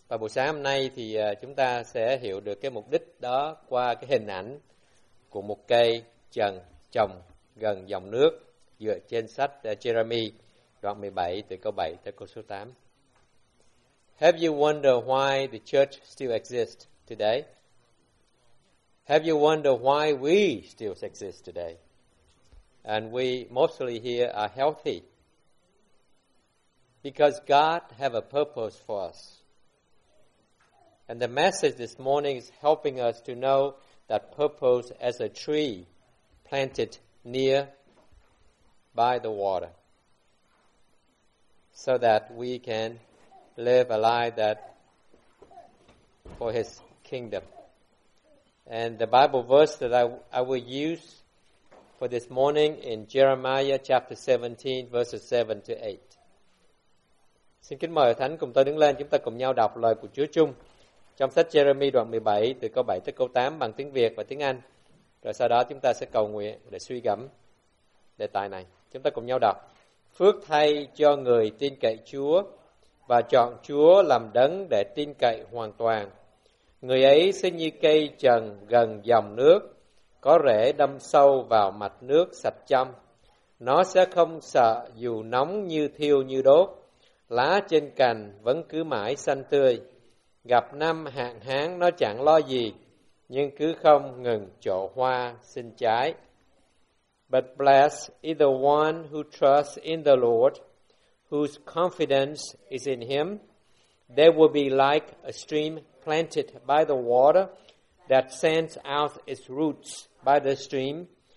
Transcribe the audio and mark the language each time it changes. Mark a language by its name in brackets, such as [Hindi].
[Vietnamese] Và buổi sáng hôm nay thì chúng ta sẽ hiểu được cái mục đích đó qua cái hình ảnh của một cây trần trồng gần dòng nước dựa trên sách Jeremy đoạn 17 từ câu 7 tới câu số 8. [English] Have you wondered why the church still exists today? Have you wondered why we still exist today? And we mostly here are healthy. Because God have a purpose for us. And the message this morning is helping us to know that purpose as a tree planted near by the water, so that we can live a life that for His kingdom. And the Bible verse that I will use for this morning in Jeremiah chapter 17, verses 7 to 8. [Vietnamese] Xin kính mời Thánh cùng tôi đứng lên, chúng ta cùng nhau đọc lời của Chúa chung trong sách Jeremy đoạn 17 từ câu 7 tới câu 8 bằng tiếng Việt và tiếng Anh. Rồi sau đó chúng ta sẽ cầu nguyện để suy gẫm đề tài này. Chúng ta cùng nhau đọc. Phước thay cho người tin cậy Chúa và chọn Chúa làm đấng để tin cậy hoàn toàn. Người ấy sẽ như cây trần gần dòng nước, có rễ đâm sâu vào mạch nước sạch trong. Nó sẽ không sợ dù nóng như thiêu như đốt. Lá trên cành vẫn cứ mãi xanh tươi. Gặp năm hạn hán nó chẳng lo gì, nhưng cứ không ngừng trổ hoa sinh trái. [English] But blessed is the one who trusts in the Lord, whose confidence is in Him. They will be like a stream planted by the water that sends out its roots by the stream.